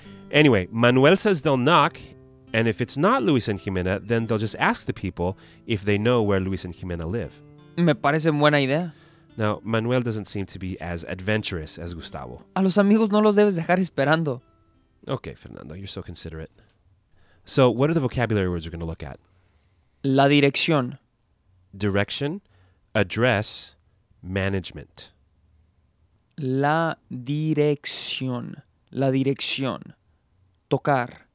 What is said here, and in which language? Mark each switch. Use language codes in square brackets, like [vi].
[en] Anyway, Manuel says they'll knock, and if it's not Luis and Jimena, then they'll just ask the people if they know where Luis and Jimena live. [es] Me parece buena idea. [en] Now, Manuel doesn't seem to be as adventurous as Gustavo. [es] A los amigos no los debes dejar esperando. [en] Okay, Fernando, you're so considerate. So, what are the vocabulary words we're going to look at? [es] La dirección. [en] Direction, address, management. [es] La dirección. La dirección. Tocar.